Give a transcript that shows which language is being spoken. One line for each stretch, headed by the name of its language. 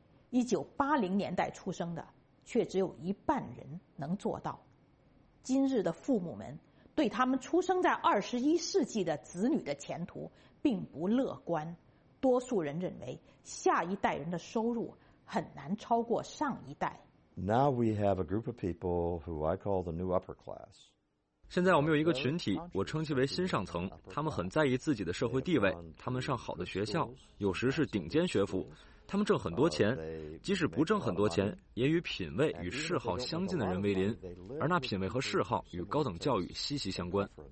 Chinese: 1980年代出生的却只有一半人能做到。今日的父母们对他们出生在21世纪的子女的前途并不乐观，多数人认为下一代人的收入很难超过上一代。
English: Now we have a group of people who I call the new upper class。
Chinese: 现在我们有一个群体，我称其为新上层，他们很在意自己的社会地位，他们上好的学校，有时是顶尖学府。他们挣很多钱，即使不挣很多钱，也与品味与嗜好相近的人为邻，而那品味和嗜好与高等教育息息相关。